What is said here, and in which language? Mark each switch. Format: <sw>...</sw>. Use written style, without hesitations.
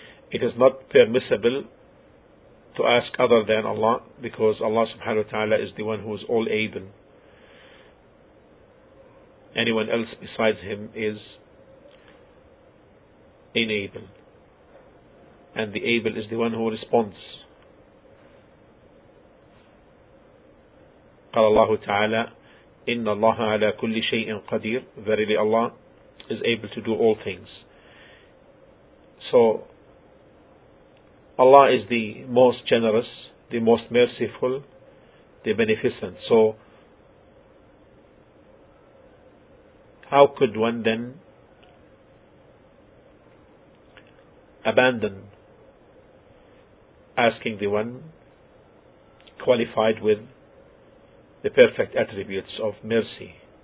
<en>It is not permissible to ask other than Allah, because Allah subhanahu wa ta'ala is the one who is all able. Anyone else besides Him is inable, and the able is the one who responds.</en> <ar>قال الله تعالى إن الله على كل شيء قدير.</ar> <en>Verily Allah is able to do all things. So Allah is the most generous, the most merciful, the beneficent. So how could one then abandon asking the one qualified with the perfect attributes of mercy?</en>